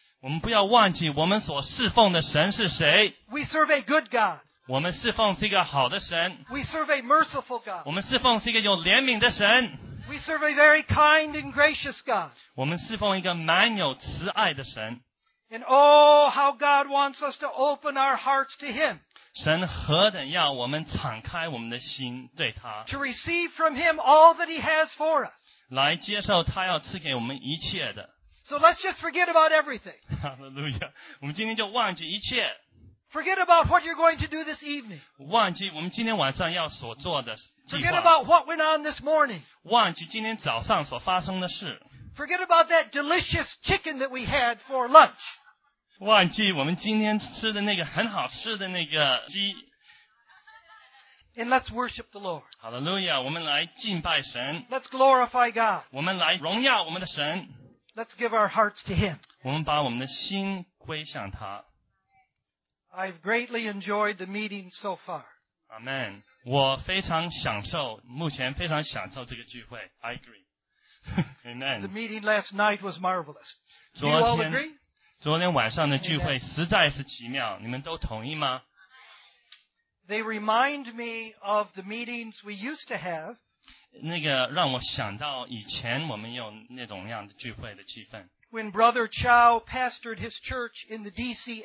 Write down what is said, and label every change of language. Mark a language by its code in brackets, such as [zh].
[zh] 我们不要忘记我们所侍奉的神是谁。 [en] We serve a good God. [zh] 我们侍奉是一个好的神。 [en] We serve a merciful God. [zh] 我们侍奉是一个有怜悯的神。 [en] We serve a very kind and gracious God. [zh] 我们侍奉一个满有慈爱的神。 [en] And oh, how God wants us to open our hearts to Him. [zh] 神何等要我们敞开我们的心对他。 [en] To receive from Him all that He has for us. [zh] 来接受他要赐给我们一切的。 [en] So let's just forget about everything. [zh] Hallelujah. 我们今天就忘记一切。 [en] Forget about what you're going to do this evening. [zh] 忘记我们今天晚上要所做的计划。 [en] Forget about what went on this morning. [zh] 忘记今天早上所发生的事。 [en] Forget about that delicious chicken that we had for lunch. [zh] 忘记我们今天吃的那个很好吃的那个鸡。 [en] And let's worship the Lord. [zh] Hallelujah, 我们来敬拜神。 [en] Let's glorify God. [zh] 我们来荣耀我们的神。 [en] Let's give our hearts to Him. [zh] 我们把我们的心归向他。 [en] I've greatly enjoyed the meeting so far. Amen. [zh] 我非常享受，目前非常享受这个聚会。 [en] I agree. Amen. The meeting last night was marvelous. Do you all agree? [zh] 昨天晚上的聚会实在是奇妙，你们都同意吗？ [en] They remind me of the meetings we used to have. [zh] 那个让我想到以前我们有那种样的聚会的气氛。 [en] When Brother Chow pastored his church in the D.C.